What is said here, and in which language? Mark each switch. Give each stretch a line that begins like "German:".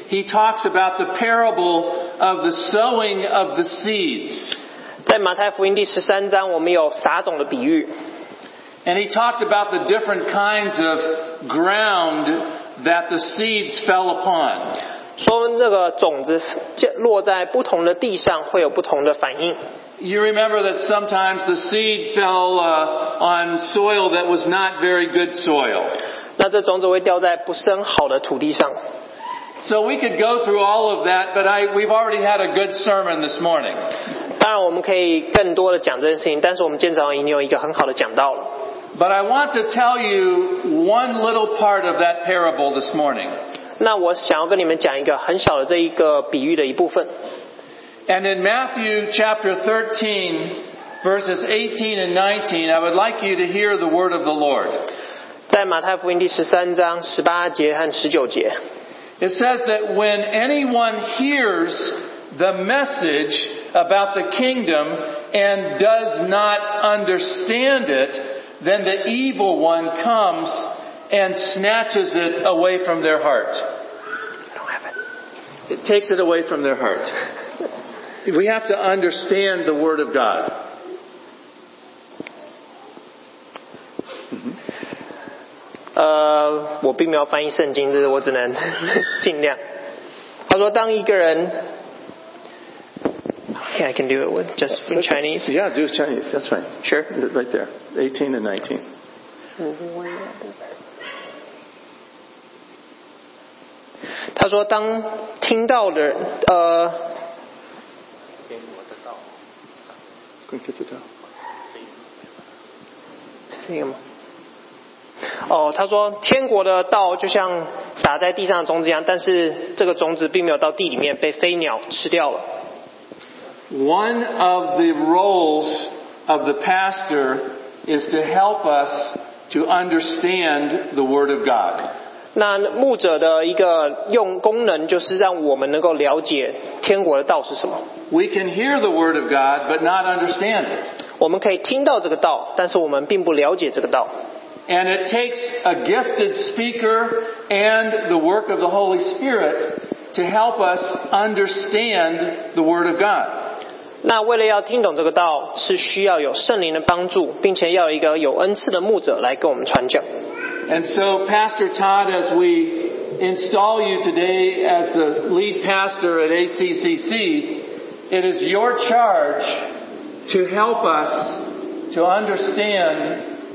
English: He talks about the parable of the sowing of the seeds.
Chinese: 在马太福音第十三章，我们有撒种的比喻。
English: And he talked about the different kinds of ground that the seeds fell upon.
Chinese: 说那个种子落在不同的地上，会有不同的反应。
English: You remember that sometimes the seed fell on soil that was not very good soil.
Chinese: 那这种子会掉在不甚好的土地上。
English: So we could go through all of that, but we've already had a good sermon this morning.
Chinese: 当然我们可以更多的讲这件事情，但是我们今天早上已经有一个很好的讲道了。
English: But I want to tell you one little part of that parable this morning.
Chinese: 那我想要跟你们讲一个很小的这一个比喻的一部分。
English: And in Matthew chapter 13, verses 18 and 19, I would like you to hear the word of the Lord.
Chinese: 在马太福音第十三章十八节和十九节。
English: It says that when anyone hears the message about the kingdom and does not understand it, then the evil one comes and snatches it away from their heart. I don't have it. It takes it away from their heart. We have to understand the word of God.
Chinese: 我并没有翻译圣经，这是我只能尽量。他说，当一个人
English: ，Okay, I can do it with just in Chinese. Yeah, do it with Chinese. That's fine. Sure. Right there, 18 and 19. Mm-hmm.
Chinese: 他说，当听到的人，
English: going to put down. Same.
Chinese: 哦，他说天国的道就像撒在地上的种子一样，但是这个种子并没有到地里面，被飞鸟吃掉了。
English: One of the roles of the pastor is to help us to understand the word of God.
Chinese: 那牧者的一个用功能就是让我们能够了解天国的道是什么。
English: We can hear the word of God, but not understand it.
Chinese: 我们可以听到这个道，但是我们并不了解这个道。
English: And it takes a gifted speaker and the work of the Holy Spirit to help us understand the Word of God.
Chinese: 那为了要听懂这个道，是需要有圣灵的帮助，并且要一个有恩赐的牧者来跟我们传讲。
English: And so, Pastor Todd, as we install you today as the lead pastor at ACCC, it is your charge to help us to understand.